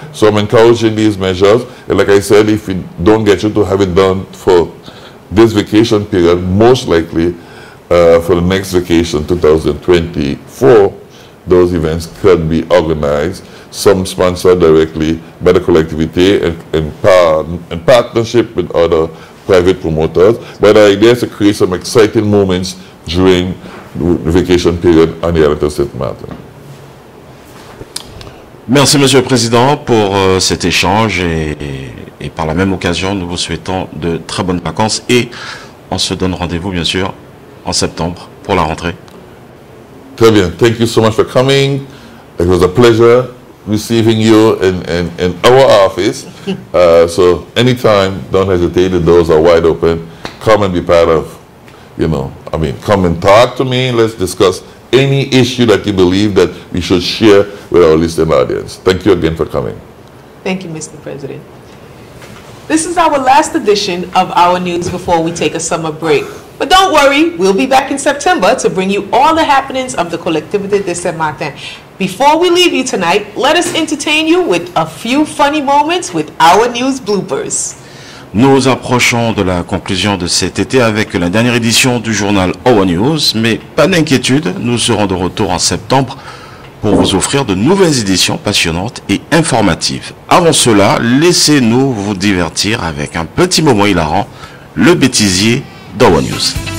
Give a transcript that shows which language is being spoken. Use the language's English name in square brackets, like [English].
[English] So I'm encouraging these measures. And like I said, if we don't get you to have it done for this vacation period, most likely for the next vacation, 2024, those events could be organized, some sponsored directly by the collectivity in partnership with other private promoters. But the idea is to create some exciting moments during the vacation period on the island of St. Martin. [French] Merci, Monsieur le Président, pour cet échange et par la même occasion, nous vous souhaitons de très bonnes vacances et on se donne rendez-vous, bien sûr, en septembre pour la rentrée. Très bien. [English] Thank you so much for coming. It was a pleasure receiving you in our office. So anytime, don't hesitate. The doors are wide open. Come and be part of, you know, I mean, come and talk to me. Let's discuss any issue that you believe that we should share with our listening audience. Thank you again for coming. Thank you, Mr. President. This is our last edition of our news before we take a summer break. But don't worry, we'll be back in September to bring you all the happenings of the Collectivité de Saint-Martin. Before we leave you tonight, let us entertain you with a few funny moments with our news bloopers. [French] Nous approchons de la conclusion de cet été avec la dernière édition du journal Our News, mais pas d'inquiétude, nous serons de retour en septembre pour vous offrir de nouvelles éditions passionnantes et informatives. Avant cela, laissez-nous vous divertir avec un petit moment hilarant, le bêtisier d'Our News.